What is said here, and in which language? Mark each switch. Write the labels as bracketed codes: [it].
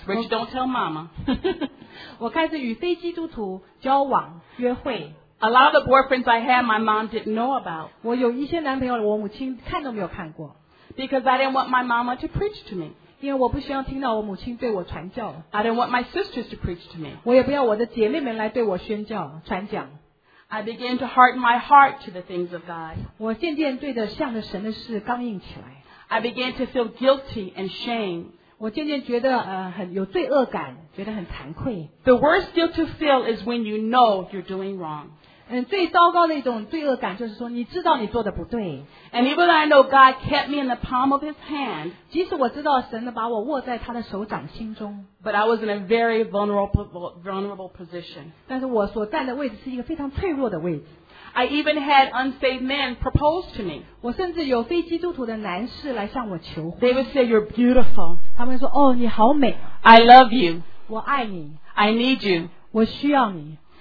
[en] Rich, don't tell mama. [zh] 我开始与非基督徒交往、约会。 [en] A lot of the boyfriends I had, my mom didn't know about. [zh] 我有一些男朋友，我母亲看都没有看过。 [en] Because I didn't want my mama to preach to me. [zh] 因为我不希望听到我母亲对我传教。 [en] I didn't want my sisters to preach to me. [zh] 我也不要我的姐妹们来对我宣教、传讲。 [en] I began to harden my heart to the things of God. [zh] 我渐渐对着向着神的事刚硬起来。 [en] I began to feel guilty and shame [zh] 我渐渐觉得很有罪恶感，觉得很惭愧。 [en] The worst guilt to feel is when you know you're doing wrong. [zh] 最糟糕的一种罪恶感就是说你知道你做的不对。 [en] And even though I know God kept me in the palm of His hand, [zh] 即使我知道神把我握在他的手掌心中。 [en] But I was in a very vulnerable position. [zh] 但是我所站的位置是一个非常脆弱的位置。 [en] I even had unsaved men propose to me. [zh] 我甚至有非基督徒的男士来向我求婚。 [en] They would say, "You're beautiful." [zh] 他们说，哦，你好美。 [en] I love you. [zh] 我爱你。 [en] I need you. [zh] 我需要你。